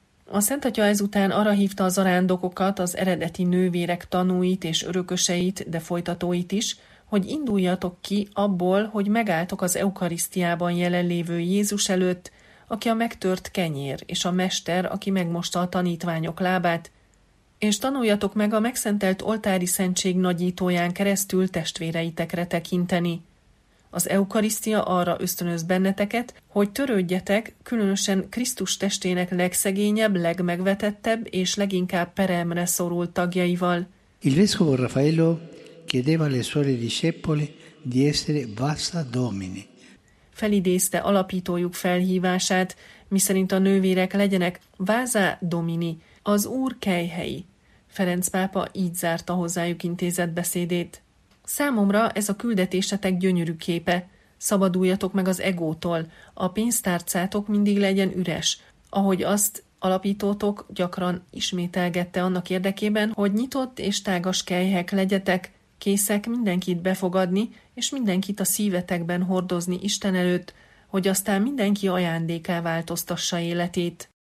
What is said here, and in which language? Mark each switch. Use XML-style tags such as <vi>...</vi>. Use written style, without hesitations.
<hu>A Szentatya ezután arra hívta a zarándokokat, az eredeti nővérek tanúit és örököseit, de folytatóit is, hogy induljatok ki abból, hogy megálltok az eukarisztiában jelenlévő Jézus előtt, aki a megtört kenyér és a mester, aki megmosta a tanítványok lábát, és tanuljatok meg a megszentelt oltári szentség nagyítóján keresztül testvéreitekre tekinteni. Az eukarisztia arra ösztönöz benneteket, hogy törődjetek, különösen Krisztus testének legszegényebb, legmegvetettebb és leginkább peremre szorult tagjaival.</hu> <it>Il vescovo Raffaello chiedeva alle sue discepoli di essere vasa domini.</it> <hu>Felidézte alapítójuk felhívását, miszerint a nővérek legyenek vaza domini, az Úr kelyhei. Ferenc pápa így zárta hozzájuk intézett beszédét. Számomra ez a küldetésetek gyönyörű képe. Szabaduljatok meg az egótól, a pénztárcátok mindig legyen üres, ahogy azt alapítótok gyakran ismételgette annak érdekében, hogy nyitott és tágas kelyhek legyetek, készek mindenkit befogadni, és mindenkit a szívetekben hordozni Isten előtt, hogy aztán mindenki ajándékká változtassa életét.</hu>